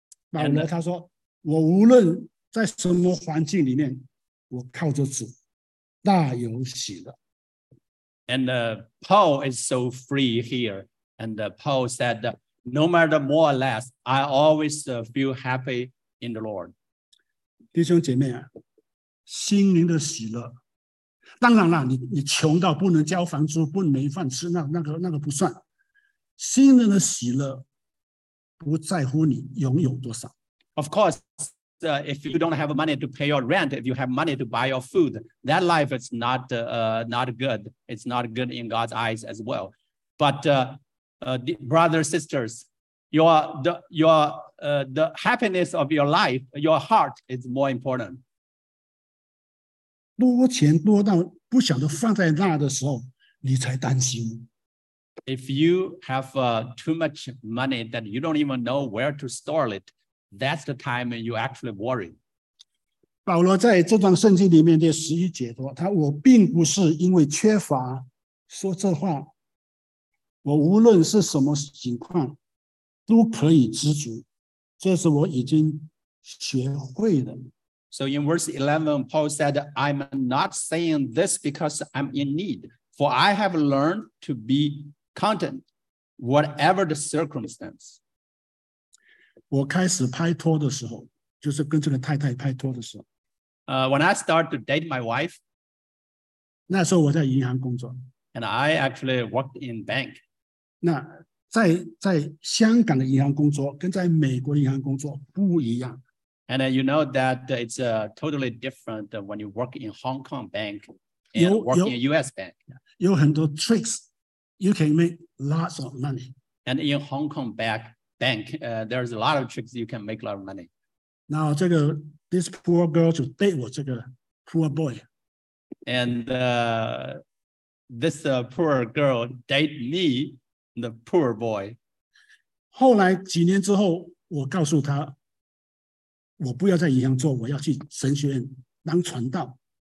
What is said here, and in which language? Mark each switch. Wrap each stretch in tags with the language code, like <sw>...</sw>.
<zh>保罗他说，我无论在什么环境里面，我靠着主，大有喜乐。</zh> <en>And Paul is so free here. And Paul said, no matter more or less, I always feel happy in the Lord.</en> <zh>弟兄姐妹啊，心灵的喜乐。当然了 你穷到不能交房租不能没饭吃 那个不算心灵的喜乐不在乎你拥有多少</zh> <en>Of course, if you don't have money to pay your rent if you have money to buy your food that life is not good it's not good in God's eyes as well but brothers, sisters the happiness of your life your heart is more important</en> <zh>多钱多到不想得放在那的时候，你才担心。</zh> <en>If you have too much money that you don't even know where to store it, that's the time you actually worry.</en> <zh>保罗在这段圣经里面的十一节说，他我并不是因为缺乏说这话，我无论是什么情况都可以知足，这是我已经学会的。</zh> <en>So in verse 11, Paul said, I'm not saying this because I'm in need, for I have learned to be content, whatever the circumstance.</en> <zh>我开始拍拖的时候，就是跟这个太太拍拖的时候。</zh> <en>When I started to date my wife,</en> <zh>那时候我在银行工作。</zh> <en>And I actually worked in bank.</en> <zh>那在香港的银行工作跟在美国银行工作不一样。</zh> <en>And you know that it's totally different when you work in Hong Kong bank and work in US bank.</en> <zh>有很多</zh> <en>tricks. You can make lots of money. And in Hong Kong bank, there's a lot of tricks you can make a lot of money. Now, this poor girl to date</en> <zh>我这个</zh> <en>poor boy. And this poor girl date me, the poor boy.</en> <zh>后来几年之后，我告诉她我不要在银行做，我要去神学院当传道。</zh>